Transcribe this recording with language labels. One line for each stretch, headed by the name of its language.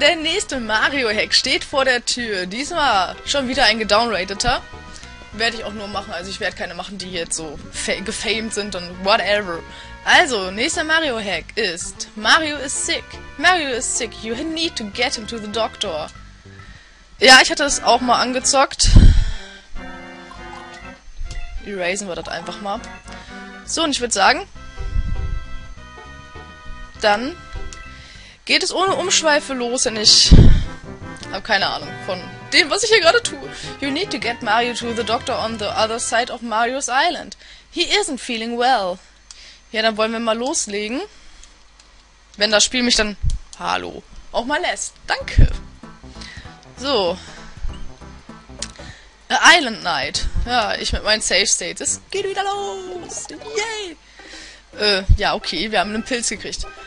German: Der nächste Mario Hack steht vor der Tür. Diesmal schon wieder ein gedownrateter. Werde ich auch nur machen. Also ich werde keine machen, die jetzt so gefamed sind und whatever. Also, nächster Mario Hack ist Mario is sick.
English: Mario is sick. You need to get him to the doctor.
German: Ja, ich hatte das auch mal angezockt. Erasen wir das einfach mal. So, und ich würde sagen, dann geht es ohne Umschweife los, denn ich habe keine Ahnung von dem, was ich hier gerade tue.
English: You need to get Mario to the doctor on the other side of Mario's Island. He isn't feeling well.
German: Ja, dann wollen wir mal loslegen. Wenn das Spiel mich dann, hallo, auch mal lässt. Danke. So. Island Night. Ja, ich mit meinen Safe States. Es geht wieder los. Yay. Ja, okay, wir haben einen Pilz gekriegt.